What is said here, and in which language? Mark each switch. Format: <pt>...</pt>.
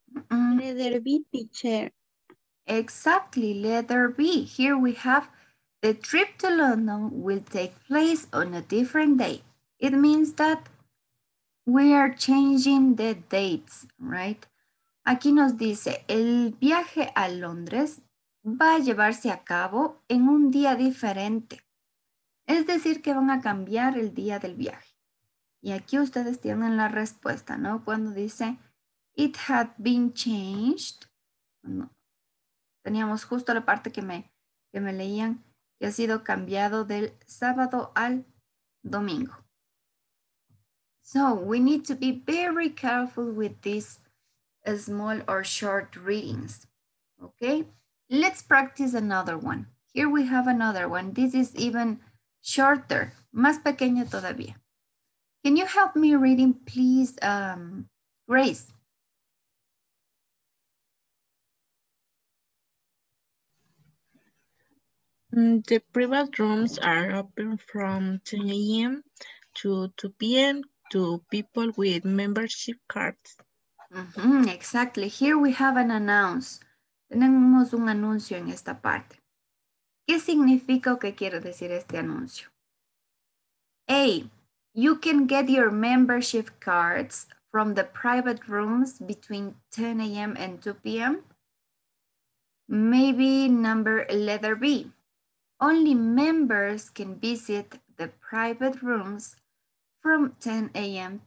<en>Letter B, teacher. Exactly, letter B. Here we have the trip to London will take place on a different day. It means that we are changing the dates, right?</en> <es>Aquí nos dice, el viaje a Londres va a llevarse a cabo en un día diferente. Es decir, que van a cambiar el día del viaje. Y aquí ustedes tienen la respuesta, ¿no? Cuando dice,</es> <en>it had been changed. No.</en> <es>Teníamos justo la parte que me leían, que ha sido cambiado del sábado al domingo.</es> <en>So, we need to be very careful with these small or short readings. Okay? Let's practice another one. Here we have another one. This is even shorter,</en> <es>más pequeño todavía.</es> <en>Can you help me reading, please, Grace? The private rooms are open from 10 a.m. to 2 p.m. to people with membership cards. Exactly. Here we have an announce.</en> <es>Tenemos un anuncio en esta parte. ¿Qué significa o qué quiere decir este anuncio?</es> <en>A. You can get your membership cards from the private rooms between 10 a.m. and 2 p.m. Maybe number letter B. Only members can visit the private rooms from 10 a.m.</en>